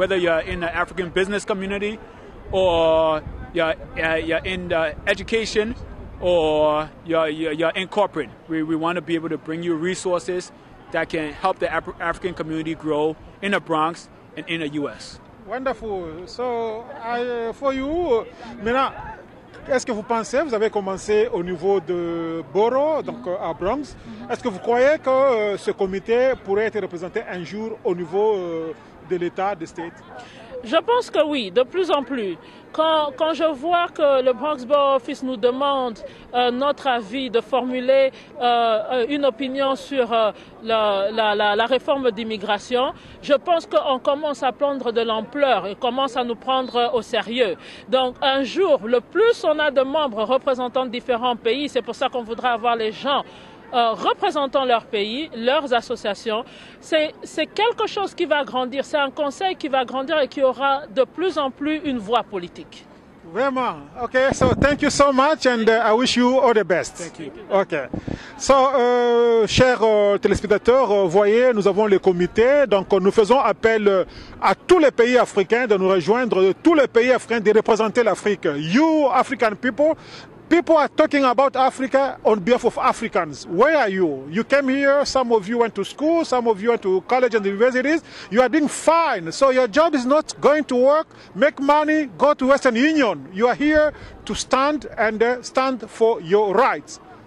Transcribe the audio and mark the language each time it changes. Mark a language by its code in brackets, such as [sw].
[en] Whether you're in the African business community, or you're in the education, or you're in corporate, we want to be able to bring you resources that can help the African community grow in the Bronx and in the U.S. Wonderful. So, for you, [fr] Mina, est-ce que vous pensez, vous avez commencé au niveau de Borough, donc à Bronx, est-ce que vous croyez que ce comité pourrait être représenté un jour au niveau de l'État, des States? Je pense que oui, de plus en plus. Quand je vois que le Bronx Borough Office nous demande notre avis, de formuler une opinion sur la réforme d'immigration, je pense qu'on commence à prendre de l'ampleur et commence à nous prendre au sérieux. Donc un jour, le plus on a de membres représentant différents pays, c'est pour ça qu'on voudrait avoir les gens représentant leur pays, leurs associations, c'est quelque chose qui va grandir, c'est un conseil qui va grandir et qui aura de plus en plus une voix politique. Vraiment. [en] Ok, so thank you so much and I wish you all the best. Thank you. Ok. [fr] So, chers téléspectateurs, voyez, nous avons le comité, donc nous faisons appel à tous les pays africains de nous rejoindre, de tous les pays africains de représenter l'Afrique. [en] You African people, people are talking about Africa on behalf of Africans. Where are you? You came here, some of you went to school, some of you went to college and universities. You are doing fine. So your job is not going to work, make money, go to Western Union. You are here to stand and stand for your rights.